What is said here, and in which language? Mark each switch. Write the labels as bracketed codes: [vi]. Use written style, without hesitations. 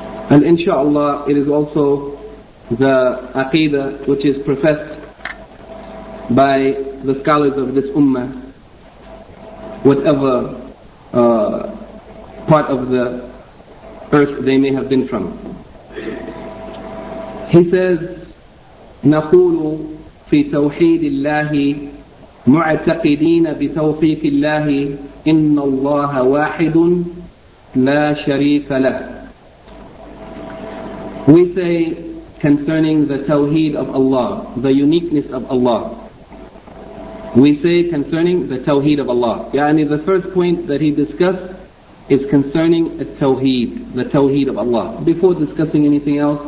[en] And inshaAllah, it is also the aqeedah which is professed by the scholars of this ummah, whatever part of the earth they may have been from. He says, [ar] نَقُولُ فِي تَوْحِيدِ اللَّهِ معتقدين بتوفيق الله إن الله واحد لا شريك له. [en] We say concerning the tawheed of Allah, the uniqueness of Allah. We say concerning the tawheed of Allah. Yani the first point that he discussed is concerning التوحيد, the tawheed of Allah, before discussing anything else.